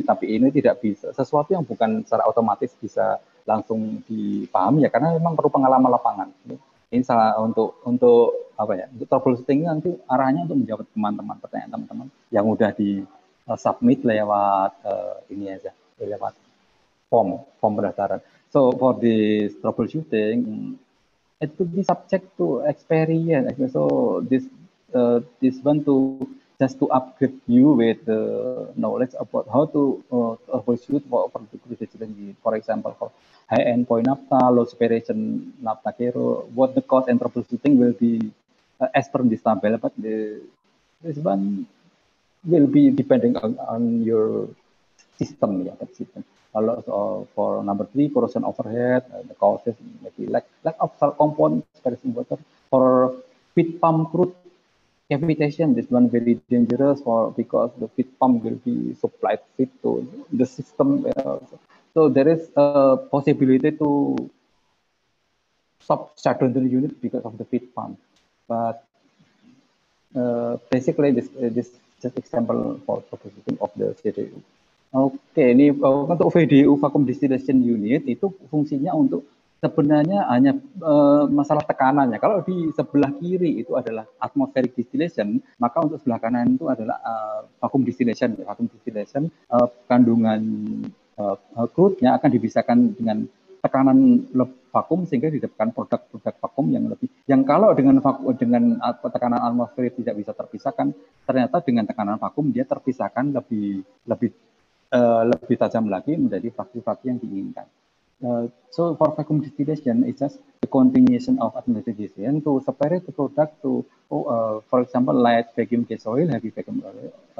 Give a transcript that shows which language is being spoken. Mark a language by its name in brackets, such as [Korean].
[Indonesian] Tapi ini tidak bisa sesuatu yang bukan secara otomatis bisa langsung dipahami ya, karena memang perlu pengalaman lapangan. Ini salah untuk apa ya, untuk troubleshooting nanti arahnya untuk menjawab teman-teman pertanyaan teman-teman yang udah di submit lewat ini aja, lewat form pendaftaran. [English] So for this troubleshooting, it could be subject to experience. So this one to just to upgrade you with the knowledge about how to troubleshoot for particular situation. For example, for high end point naphtha, low separation naphtha kero, what the cost and troubleshooting will be as per this table. But this one will be depending on your system, ya, yeah, system. Kalau for number 3, corrosion overhead, the causes maybe lack of salt compound, separation water. For feed pump crude cavitation, this one very dangerous because the feed pump will be supplied feed to the system. So there is a possibility to stop shutdown the unit because of the feed pump. But basically this just example for purposes of the CDU. [Indonesian] Oke, ini untuk VDU vacuum distillation unit itu fungsinya untuk sebenarnya hanya masalah tekanannya. Kalau di sebelah kiri itu adalah atmospheric distillation, maka untuk sebelah kanan itu adalah vacuum distillation. Vacuum distillation kandungan crude-nya akan dipisahkan dengan tekanan vakum sehingga didapatkan produk-produk vakum yang lebih. Yang kalau dengan tekanan atmosferik tidak bisa terpisahkan, ternyata dengan tekanan vakum dia terpisahkan lebih tajam lagi menjadi fraksi-fraksi yang diinginkan. [English] So for vacuum distillation, it's just the continuation of atmospheric distillation to separate the product to, for example, light vacuum gas oil, heavy vacuum oil,